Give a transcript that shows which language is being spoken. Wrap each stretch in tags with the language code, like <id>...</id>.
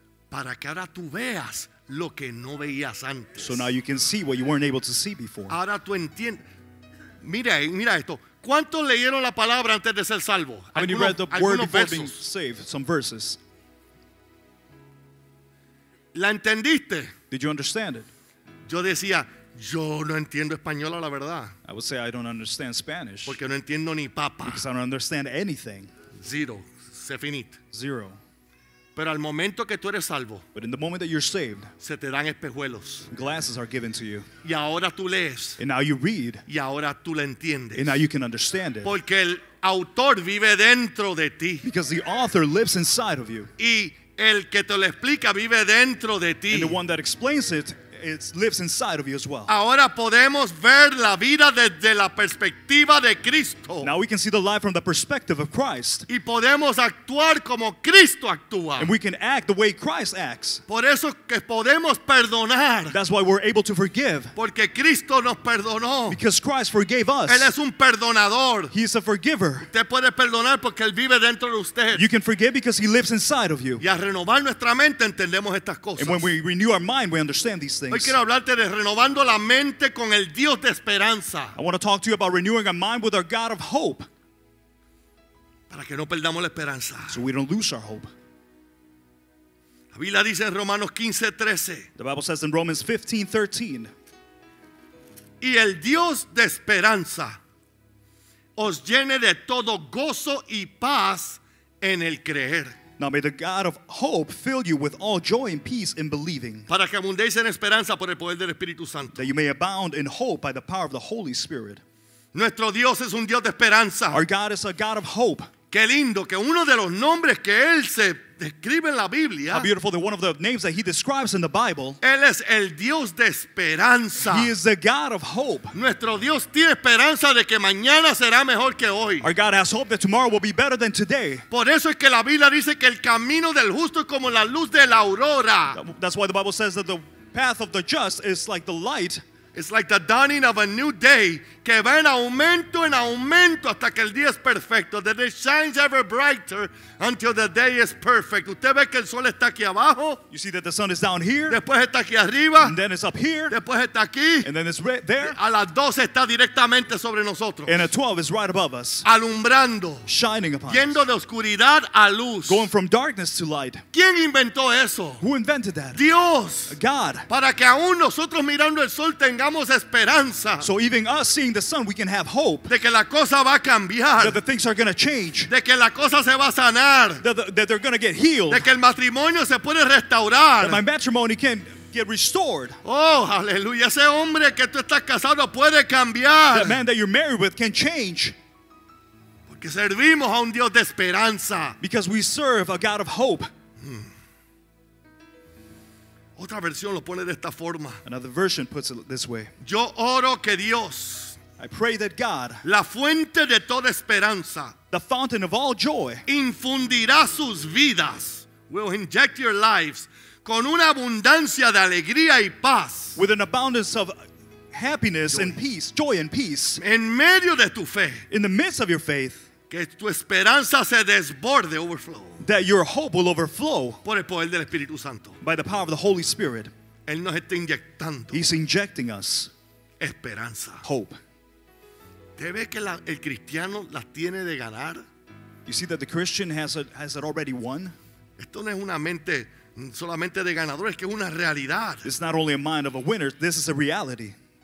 <es>Para que ahora tú veas lo que no veías antes.</es> <en>So now you can see what you weren't able to see before.</en> <es>Ahora tú entiendes. Mira esto. ¿Cuántos leyeron la palabra antes de ser salvo?</es> <en>How many read the word before being saved? Some verses.</en> <es>¿La entendiste?</es> <en>Did you understand it?</en> <es>Yo decía, yo no entiendo español a la verdad.</es> <en>I would say I don't understand Spanish.</en> <es>Porque no entiendo ni papa.</es> <en>Because I don't understand anything.</en> <fr>Zero. Se finit.</fr> <en>Zero.</en> <es>Pero al momento que tú eres salvo,</es> <en>but in the moment that you're saved,</en> <es>se te dan espejuelos.</es> <en>Glasses are given to you.</en> <es>Y ahora tú lees.</es> <en>And now you read.</en> <es>Y ahora tú la entiendes.</es> <en>And now you can understand it.</en> <es>Porque el autor vive dentro de ti.</es> <en>Because the author lives inside of you.</en> <es>Y el que te lo explica vive dentro de ti.</es> <en>And the one that explains it, it lives inside of you as well.</en> <es>Ahora podemos ver la vida desde la perspectiva de Cristo.</es> <en>Now we can see the life from the perspective of Christ.</en> <es>Y podemos actuar como Cristo actúa.</es> <en>And we can act the way Christ acts.</en> <es>Por eso que podemos perdonar.</es> <en>That's why we're able to forgive.</en> <es>Porque Cristo nos perdonó.</es> <en>Because Christ forgave us.</en> <es>Él es un perdonador.</es> <en>He's a forgiver.</en> <es>Usted puede perdonar porque él vive dentro de usted.</es> <en>You can forgive because he lives inside of you.</en> <es>Y al renovar nuestra mente entendemos estas cosas.</es> <en>And when we renew our mind, we understand these.</en> <es>Hoy quiero hablarte de renovando la mente con el Dios de esperanza.</es> <en>I want to talk to you about renewing our mind with our God of hope.</en> <es>Para que no perdamos la esperanza.</es> <en>So we don't lose our hope.</en> <es>La Biblia dice en Romanos 15:13.</es> <en>The Bible says in Romans 15:13.</en> <es>Y el Dios de esperanza os llene de todo gozo y paz en el creer.</es> <en>Now may the God of hope fill you with all joy and peace in believing.</en> <es>Para que abundéis en esperanza por el poder del Espíritu Santo.</es> <en>That you may abound in hope by the power of the Holy Spirit.</en> <es>Nuestro Dios es un Dios de esperanza.</es> <en>Our God is a God of hope.</en> <es>Qué lindo que uno de los nombres que él se describe en la Biblia.</es> <en>How beautiful that one of the names that he describes in the Bible.</en> <es>Él es el Dios de esperanza.</es> <en>He is the God of hope.</en> <es>Nuestro Dios tiene esperanza de que mañana será mejor que hoy.</es> <en>Our God has hope that tomorrow will be better than today.</en> <es>Por eso es que la Biblia dice que el camino del justo es como la luz de la aurora.</es> <en>That's why the Bible says that the path of the just is like the light. It's like the dawning of a new day</en> <es>que va en aumento hasta que el día es perfecto.</es> <en>That it shines ever brighter until the day is perfect.</en> <es>Usted ve que el sol está aquí abajo.</es> <en>You see that the sun is down here.</en> <es>Después está aquí arriba.</es> <en>And then it's up here.</en> <es>Después está aquí.</es> <en>And then it's right there.</en> <es>A las 12 está directamente sobre nosotros.</es> <en>And at 12 is right above us.</en> <es>Alumbrando.</es> <en>Shining upon us.</en> <es>Yendo de oscuridad a luz.</es> <en>Going from darkness to light.</en> <es>¿Quién inventó eso?</es> <en>Who invented that?</en> <es>Dios.</es> <en>God.</en> <es>Para que aún nosotros mirando el sol tengamos esperanza.</es> <en>So even us seeing the sun, we can have hope.</en> <es>De que la cosa va a cambiar.</es> <en>That the things are going to change.</en> <es>De que la cosa se va a sanar.</es> <en>That they're going to get healed.</en> <es>De que el matrimonio se puede restaurar.</es> <en>That my matrimony can get restored.</en> <es>Oh, aleluya. Ese hombre que tú estás casado puede cambiar.</es> <en>That man that you're married with can change.</en> <es>Porque servimos a un Dios de esperanza.</es> <en>Because we serve a God of hope.</en> <es>Otra versión lo pone de esta forma.</es> <en>Another version puts it this way.</en> <es>Yo oro que Dios,</es> <en>I pray that God,</en> <es>la fuente de toda esperanza,</es> <en>the fountain of all joy,</en> <es>infundirá sus vidas,</es> <en>will inject your lives</en> <es>con una abundancia de alegría y paz.</es> <en>With an abundance of happiness joy. And peace, joy and peace.</en> <es>En medio de tu fe.</es> <en>In the midst of your faith.</en> <es>Que tu esperanza se desborde, overflow.</es> <en>That your hope will overflow</en> <es>por el poder del Espíritu Santo.</es> <en>By the power of the Holy Spirit.</en> <es>Él nos está inyectando.</es> <en>He's injecting us</en> <es>esperanza.</es> <en>Hope.</en> <es>¿Te ves que la, el cristiano la tiene de ganar?</es> <en>You see that the Christian has it already won?</en> <es>Esto no es una mente solamente de ganador, es que es una realidad.</es> <en>It's not only a mind of a winner, this is a reality.</en>